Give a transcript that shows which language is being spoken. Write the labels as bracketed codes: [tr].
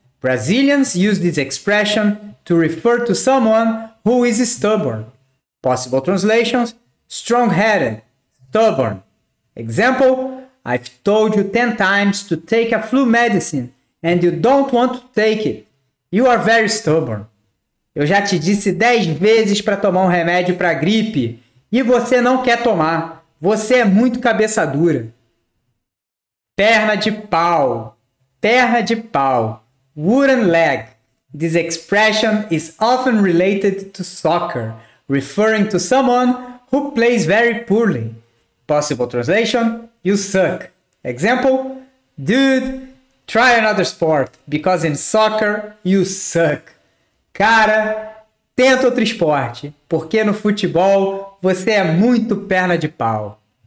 [en] Brazilians use this expression to refer to someone who is stubborn. Possible translations: strong-headed, stubborn. Example: I've told you 10 times to take a flu medicine and you don't want to take it. You are very stubborn. [pt] Eu já te disse 10 vezes para tomar um remédio para gripe e você não quer tomar. Você é muito cabeça dura. Perna de pau. Perna de pau. [en] Wooden leg. This expression is often related to soccer, referring to someone who plays very poorly. Possible translation: you suck. Example: dude, try another sport, because in soccer you suck. [pt] Cara, tenta outro esporte, porque no futebol você é muito perna de pau.